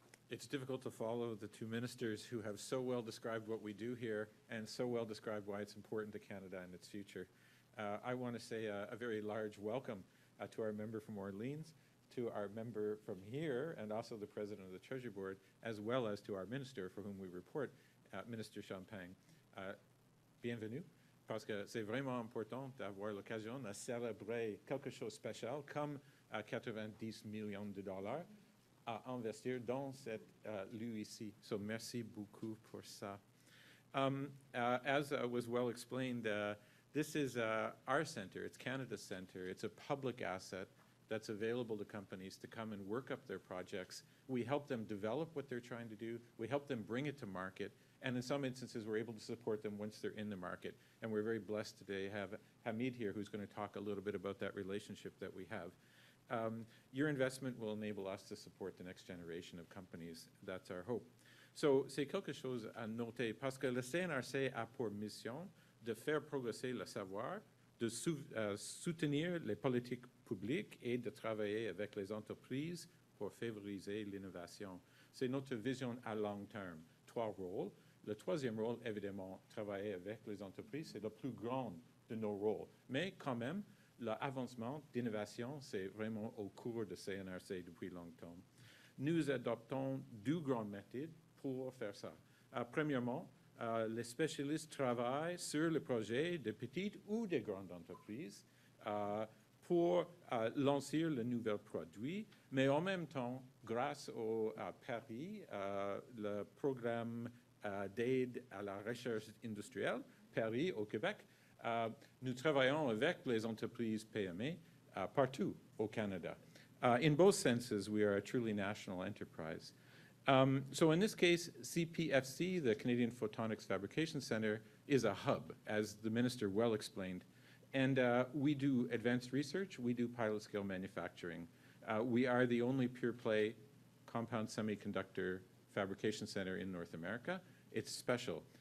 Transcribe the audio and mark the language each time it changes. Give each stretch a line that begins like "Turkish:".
English: It's difficult to follow the two ministers who have so well described what we do here and so well described why it's important to Canada and its future. I want to say a very large welcome to our member from Orleans, to our member from here, and also the President of the Treasury Board, as well as to our minister for whom we report, Minister Champagne.
French: Bienvenue, parce que c'est vraiment important d'avoir l'occasion de célébrer quelque chose de spécial comme 90 millions de dollars. À investir dans cette lieu ici.
English: So
French: merci beaucoup pour ça.
English: As was well explained, this is our center. It's Canada's center. It's a public asset that's available to companies to come and work up their projects. We help them develop what they're trying to do. We help them bring it to market. And in some instances, we're able to support them once they're in the market. And we're very blessed today to have Hamid here, who's going to talk a little bit about that relationship that we have. Your investment will enable us to support the next generation of companies. That's our hope.
French: So, c'est quelque chose à noter, parce que le CNRC a pour mission de faire progresser le savoir, de soutenir les politiques publiques et de travailler avec les entreprises pour favoriser l'innovation. C'est notre vision à long terme. Trois rôles. Le troisième rôle, évidemment, travailler avec les entreprises, c'est le plus grand de nos rôles. Mais quand même, l'avancement d'innovation, c'est vraiment au cours de CNRC depuis longtemps. Nous adoptons deux grandes méthodes pour faire ça. Premièrement, les spécialistes travaillent sur les projets de petites ou de grandes entreprises pour lancer le nouvel produit, mais en même temps, grâce au PARIS, le programme d'aide à la recherche industrielle, PARIS au Québec, nous travaillons avec les entreprises PME partout au Canada.
English: In both senses, we are a truly national enterprise. So in this case, CPFC, the Canadian Photonics Fabrication Center, is a hub, as the minister well explained. And we do advanced research, we do pilot scale manufacturing. We are the only pure play compound semiconductor fabrication center in North America. It's special.